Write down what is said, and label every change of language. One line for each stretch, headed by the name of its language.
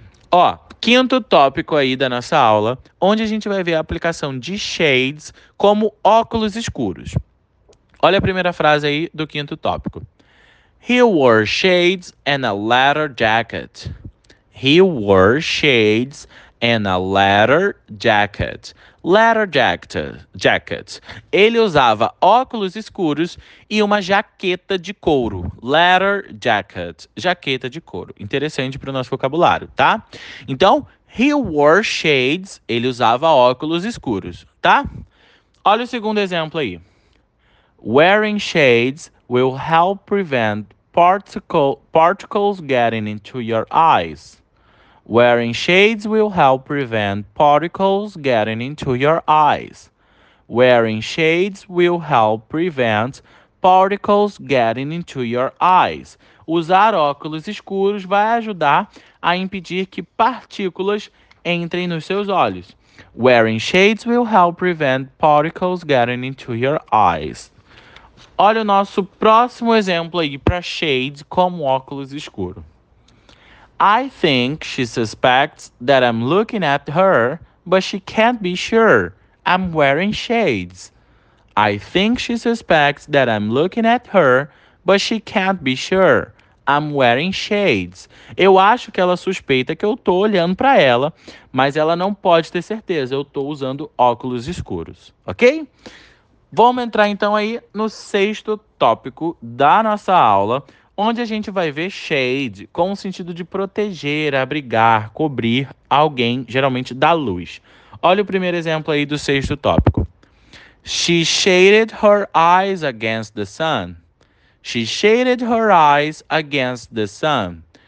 Portuguese: Ó, quinto tópico aí da nossa aula, onde a gente vai ver a aplicação de shades como óculos escuros. Olha a primeira frase aí do quinto tópico.
English: He wore shades and a leather jacket. He wore shades and a leather jacket. Leather jacket.
Portuguese: Ele usava óculos escuros e uma jaqueta de couro.
English: Leather jacket.
Portuguese: Jaqueta de couro. Interessante para o nosso vocabulário, tá? Então,
English: he wore shades.
Portuguese: Ele usava óculos escuros, tá? Olha o segundo exemplo aí.
English: Wearing shades will help prevent particles getting into your eyes. Wearing shades will help prevent particles getting into your eyes. Wearing shades will help prevent particles getting into your eyes.
Portuguese: Usar óculos escuros vai ajudar a impedir que partículas entrem nos seus olhos.
English: Wearing shades will help prevent particles getting into your eyes.
Portuguese: Olha o nosso próximo exemplo aí para shades como óculos escuros.
English: I think she suspects that I'm looking at her, but she can't be sure. I'm wearing shades. I think she suspects that I'm looking at her, but she can't be sure. I'm wearing shades.
Portuguese: Eu acho que ela suspeita que eu tô olhando para ela, mas ela não pode ter certeza. Eu tô usando óculos escuros, ok? Vamos entrar então aí no sexto tópico da nossa aula, onde a gente vai ver shade com o sentido de proteger, abrigar, cobrir alguém, geralmente da luz. Olha o primeiro exemplo aí do sexto tópico.
English: She shaded her eyes against the sun. She shaded her eyes against the sun.